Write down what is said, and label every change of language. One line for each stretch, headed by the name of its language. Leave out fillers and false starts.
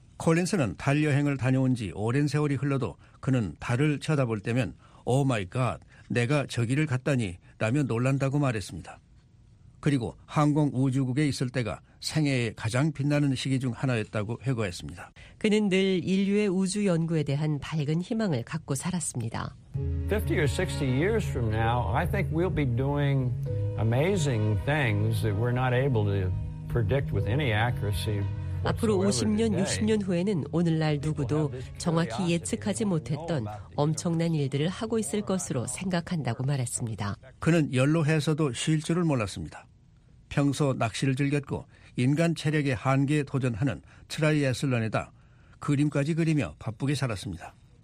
Korean: 콜린스는 달 여행을 다녀온 지 오랜 세월이 흘러도 그는 달을 쳐다볼 때면 오 마이 갓, 내가 저기를 갔다니 라며 놀란다고 말했습니다. 그리고 항공우주국에 있을 때가 생애의 가장 빛나는 시기 중 하나였다고 회고했습니다. 그는 늘 인류의 우주 연구에 대한 밝은 희망을 갖고 살았습니다.
English: 50 or 60 years from now, I think we'll be doing amazing things that we're not able to predict with any accuracy.
Korean: 앞으로 50년, 60년 후에는 오늘날 누구도 정확히 예측하지 못했던 엄청난 일들을 하고 있을 것으로 생각한다고 말했습니다. 그는 연로해서도 쉴 줄을 몰랐습니다. 평소 낚시를 즐겼고 인간 체력의 한계에 도전하는 트라이애슬런에다 그림까지 그리며 바쁘게 살았습니다.